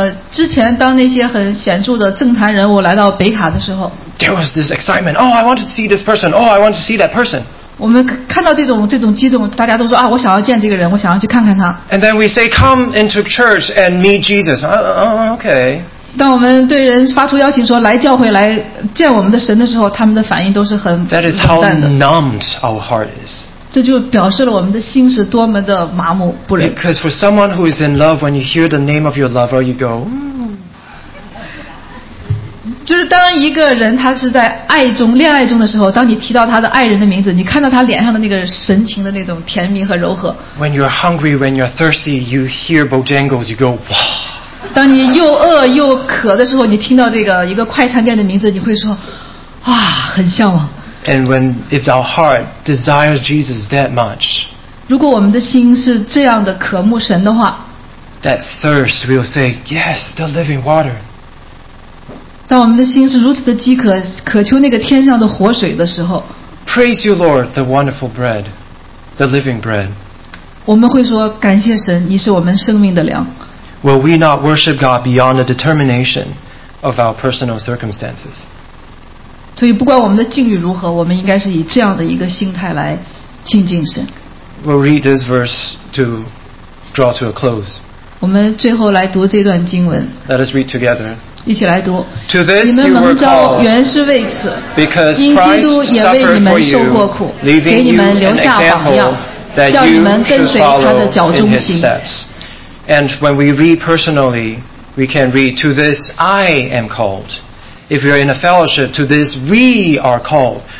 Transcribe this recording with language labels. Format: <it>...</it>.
<zh>之前当那些很显著的政坛人物来到北卡的时候。</zh> <en>There was this excitement. Oh, I want to see this person. Oh, I want to see that person.</en> <zh>我们看到这种激动，大家都说啊，我想要见这个人，我想要去看看他。</zh> <en>And then we say, come into church and meet Jesus. Okay.</en> <zh>当我们对人发出邀请说来教会来见我们的神的时候，他们的反应都是很冷淡的。</zh> <en>That is how numbed our heart is.</en> <zh>这就表示了我们的心是多么的麻木不仁。</zh> <en>Because for someone who is in love, when you hear the name of your lover, you go.</en> <zh>就是当一个人他是在爱中恋爱中的时候，当你提到他的爱人的名字，你看到他脸上的那个神情的那种甜蜜和柔和。</zh> <en>When you're hungry, when you're thirsty, you hear Bojangles, you go, wow.</en> <zh>当你又饿又渴的时候，你听到这个一个快餐店的名字，你会说，哇，很向往。</zh> <en>And when if our heart desires Jesus that much,</en> <zh>如果我们的心是这样的渴慕神的话</zh> <en>，that thirst will say, yes, the living water.</en> <zh>当我们的心是如此的饥渴，渴求那个天上的活水的时候</zh> <en>，Praise you, Lord, the wonderful bread, the living bread.</en> <zh>我们会说感谢神，你是我们生命的粮。</zh> <en>Will we not worship God beyond the determination of our personal circumstances?</en> <zh>所以不管我们的境遇如何，我们应该是以这样的一个心态来亲近神。</zh> <en>We'll read this verse to draw to a close.</en> <zh>我们最后来读这段经文。</zh> <en>Let us read together.</en> <zh>一起来读。</zh> <en>To this you were called,</en> <zh>原是为此，因基督也为你们受过苦，给你们留下榜样，叫你们跟随他的脚踪行。</zh> <en>And when we read personally, we can read, to this I am called. If you are in a fellowship, to this we are called.</en>